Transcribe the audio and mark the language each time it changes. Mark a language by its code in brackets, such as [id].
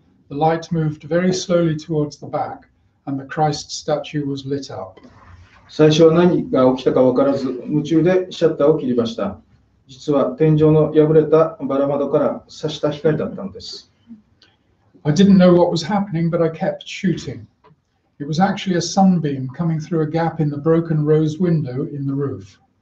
[en] The light moved very slowly towards the back, and the Christ statue was lit up. [ja] 最初は何が起きたか分からず、夢中でシャッターを切りました。実は天井の破れたバラ窓から差した光だったんです。 [en] I didn't know what was happening, but I kept shooting. It was actually a sunbeam coming through a gap in the broken rose window in the roof.